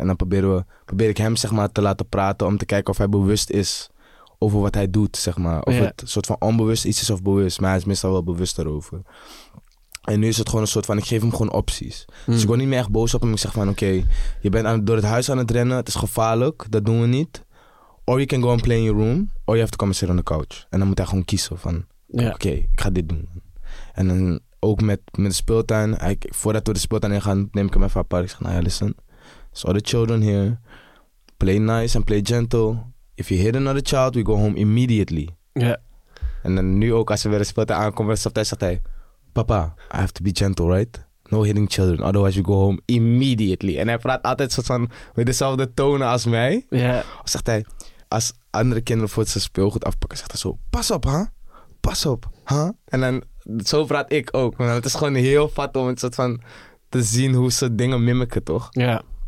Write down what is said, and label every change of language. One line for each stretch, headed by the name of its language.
Dutch: En dan probeer ik hem zeg maar te laten praten om te kijken of hij bewust is over wat hij doet, zeg maar. Of het soort van onbewust iets is of bewust, maar hij is meestal wel bewust daarover. En nu is het gewoon een soort van, ik geef hem gewoon opties. Mm. Dus ik word niet meer echt boos op hem. Ik zeg van, oké, je bent door het huis aan het rennen. Het is gevaarlijk, dat doen we niet.
English: Or you can go and play in your room. Or you have to come and sit on the couch.
Dutch: En dan moet hij gewoon kiezen van, oké, ik ga dit doen. En dan ook met de speeltuin. Voordat we de speeltuin ingaan, neem ik hem even apart. Ik zeg, nou ja, listen.
English: So the children here. Play nice and play gentle. If you hit another child, we go home immediately. Ja. Yeah.
Dutch: En dan nu ook, als we weer de speeltuin aankomen, zegt hij...
English: Papa, I have to be gentle, right? No hitting children, otherwise you go home immediately.
Dutch: En hij praat altijd soort van met dezelfde tonen als mij. Yeah. Zegt hij, als andere kinderen voor zijn speelgoed afpakken, zegt hij zo, pas op, hè? Pas op, hè? En dan, zo praat ik ook. Want het is gewoon heel vat om het soort van te zien hoe ze dingen mimiken, toch? Ja. Yeah.